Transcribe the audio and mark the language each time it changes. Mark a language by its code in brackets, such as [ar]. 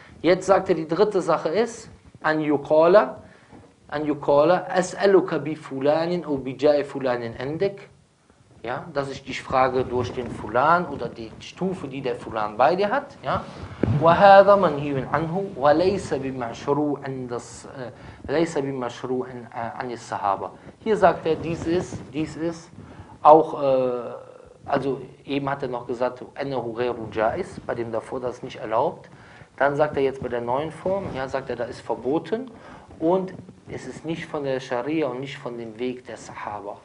[de] Jetzt sagt er, die dritte Sache ist, [ar] an yuqala, as'aluka bi fulanin au bi ja'i fulanin endek, [de] ja, dass ich dich frage durch den Fulan oder die Stufe, die der Fulan bei dir hat, ja. [ar] وهذا منهي عنه وليس بمشروع عند ليس بمشروع عن الصحابة. [de] Hier sagt er, dies ist auch also eben hat er noch gesagt, [ar] أنه غير جائز, [de] bei dem davor das nicht erlaubt. Dann sagt er jetzt bei der neuen Form, ja, sagt er, da ist verboten und es ist nicht von der Scharia und nicht von dem Weg der Sahaba.